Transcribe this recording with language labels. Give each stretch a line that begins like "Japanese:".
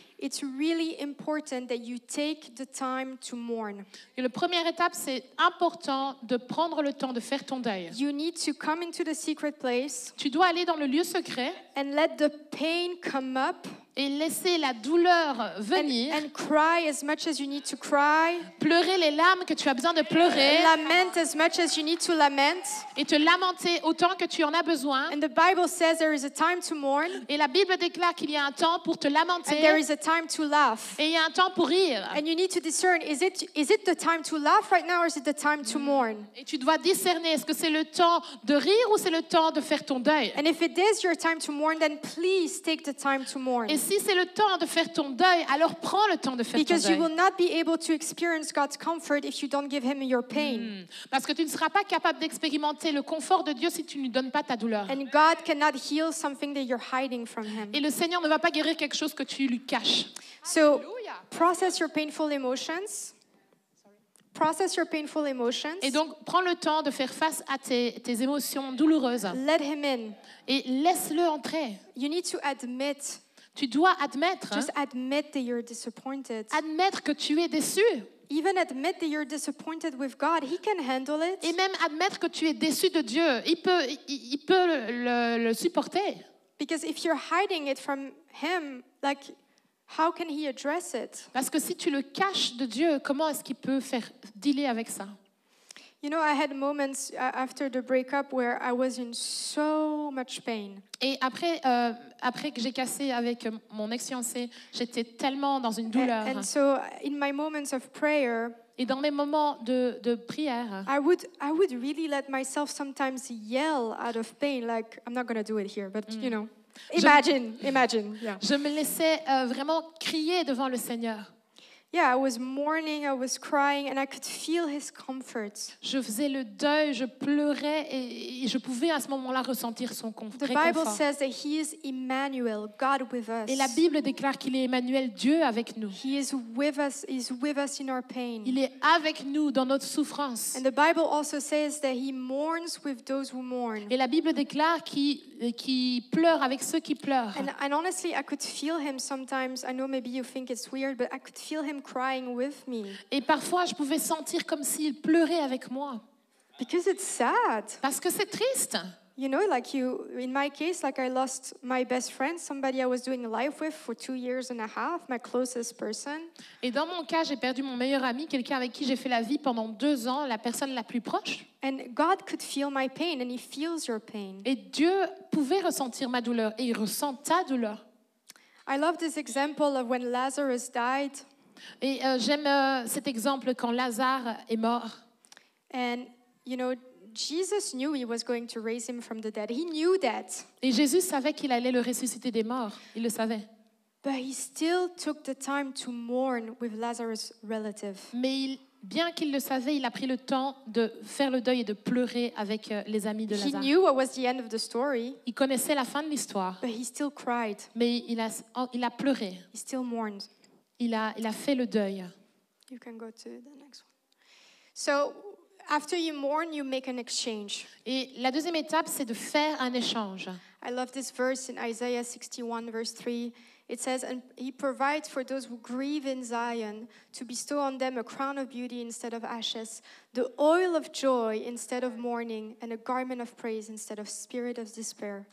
English: It's really important that you take the time to mourn.
French: Et la première étape, c'est important de prendre le temps de faire ton deuil.
English: You need to come into the secret place.
French: Tu dois aller dans le lieu secret.
English: And let the pain come up.
French: Et laisser la douleur venir.
English: And cry as much as you need to cry.
French: Pleurer les larmes que tu as besoin de pleurer.
English: Lament as much as you need to lament.
French: Et te lamenter autant que tu en as besoin.
English: And the Bible says there is a time to mourn.
French: Et la Bible déclare qu'il y a un temps pour te lamenter.
English: And there is a time to laugh.
French: Et il y a un temps pour rire.
English: And you need to discern, is it the time to laugh right now or is it the time to mourn?
French: Et tu dois discerner, est-ce que c'est le temps de rire ou c'est le temps de faire ton deuil?
English: And if it is your time to mourn, then please take the time to mourn.
French: Et si c'est le temps de faire ton deuil, alors prends le temps de faire
English: Because Because you will not be able to experience God's comfort if you don't give him your pain.
French: Parce que tu ne seras pas capable d'expérimenter le confort de Dieu si tu ne lui donnes pas ta douleur.
English: And God cannot heal something that you're hiding from him.
French: Et le Seigneur ne va pas guérir quelque chose que tu lui caches.
English: So, process your painful emotions. Process your painful emotions.
French: Et donc, prends le temps de faire face à tes émotions douloureuses.
English: Let him in.
French: Et laisse-le entrer.
English: You need to admit.
French: Tu dois admettre.
English: Just admit that you're disappointed.
French: Admettre que tu es déçu.
English: Even admit that you're disappointed with God, he can handle it.
French: Et même admettre que tu es déçu de Dieu, il peut le supporter.
English: Because if you're hiding it from him, like how can he address it?
French: Parce que si tu le caches de Dieu, comment est-ce qu'il peut faire dealer avec ça?
English: You know, I had moments after the breakup where I was in so much pain.
French: Et après que j'ai cassé avec mon ex-fiancé, j'étais tellement dans une douleur.
English: And so in my moments of prayer,
French: et dans mes moments de prière,
English: I would really let myself sometimes yell out of pain, like I'm not going to do it here, but you know. Imagine. Yeah.
French: Je me laissais vraiment crier devant le Seigneur.
English: Yeah, I was mourning, I was crying, and I could feel his comfort.
French: Je faisais le deuil, je pleurais, et je pouvais à ce moment-là ressentir son réconfort.
English: The Bible says that he is Emmanuel, God with us.
French: Et la Bible déclare qu'il est Emmanuel, Dieu avec nous.
English: He is with us. He is with us in our pain.
French: Il est avec nous dans notre souffrance.
English: And the Bible also says that he mourns with those who mourn.
French: Et la Bible déclare qu'il pleure avec ceux qui pleurent.
English: And honestly, I could feel him sometimes. I know maybe you think it's weird, but I could feel him crying with me.
French: Et parfois, je pouvais sentir comme s'il pleurait avec moi.
English: Because it's sad.
French: Parce que c'est triste.
English: You know, like you, in my case, like I lost my best friend, somebody I was doing life with for 2.5 years, my closest person.
French: Et dans mon cas, j'ai perdu mon meilleur ami, quelqu'un avec qui j'ai fait la vie pendant 2 ans, la personne la plus proche.
English: And God could feel my pain, and he feels your pain.
French: Et Dieu pouvait ressentir ma douleur, et il ressent ta douleur.
English: I love this example of when Lazarus died.
French: Et j'aime cet exemple quand Lazare est mort.
English: And you know, Jesus knew he was going to raise him from the dead. He knew that.
French: Et Jésus savait qu'il allait le ressusciter des morts. Il le savait.
English: But he still took the time to mourn with Lazarus' relative.
French: Mais bien qu'il le savait, il a pris le temps de faire le deuil et de pleurer avec les amis de Lazare.
English: He knew what was the end of the story.
French: Il connaissait la fin de l'histoire.
English: But he still cried.
French: Mais il a pleuré.
English: He still mourned.
French: Il a fait le deuil.
English: You can go to the next one. So, after you mourn, you make an exchange.
French: Et la deuxième étape, c'est de faire un échange.
English: I love this verse in Isaiah 61, verse 3. It says, and he provides for those who grieve in Zion to bestow on them a crown of beauty instead of ashes, the oil of joy instead of mourning, and a garment of praise instead of spirit of despair.